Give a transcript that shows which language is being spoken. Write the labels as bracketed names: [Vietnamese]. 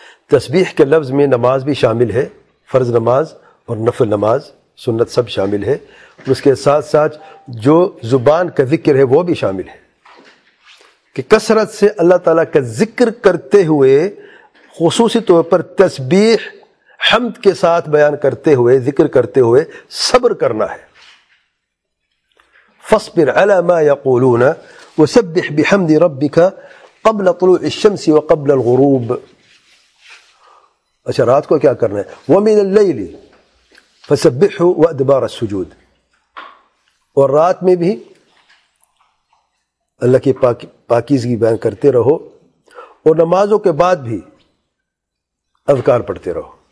[Urdu] تسبیح کے لفظ میں نماز بھی شامل ہے, فرض نماز اور نفل نماز سنت سب شامل ہے, اس کے ساتھ ساتھ جو زبان کا ذکر ہے وہ بھی شامل ہے. کہ کثرت سے اللہ تعالیٰ کا ذکر کرتے ہوئے, خصوصی طور پر تسبیح حمد کے ساتھ بیان کرتے ہوئے, ذکر کرتے ہوئے صبر کرنا ہے. [Arabic] فاصبر علی ما یقولون وسبح بحمد ربک قبل طلوع الشمس وقبل الغروب. [Urdu] اچھا, رات کو کیا کرنا ہے؟ [Arabic] ومن اللیل فسبحہ وادبار السجود, [Urdu] اور رات میں بھی اللہ کی پاکیزگی بیان کرتے رہو, اور نمازوں کے بعد بھی اذکار پڑھتے رہو.